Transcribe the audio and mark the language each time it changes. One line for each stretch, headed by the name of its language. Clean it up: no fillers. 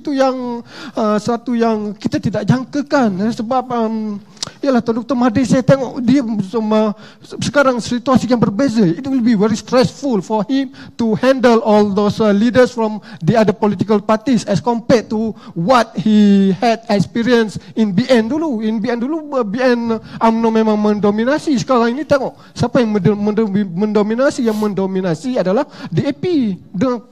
Malay: Itu yang satu yang kita tidak jangkakan. Sebab ialah Tuan Dr. Mahathir, saya tengok dia sekarang situasi yang berbeza.
English: It will be very stressful for him to handle all those leaders from the other political parties as compared to what he had experience in BN
Malay: dulu.
English: In
Malay: BN dulu, BN UMNO memang mendominasi. Sekarang ini tengok siapa yang mendominasi adalah DAP dengan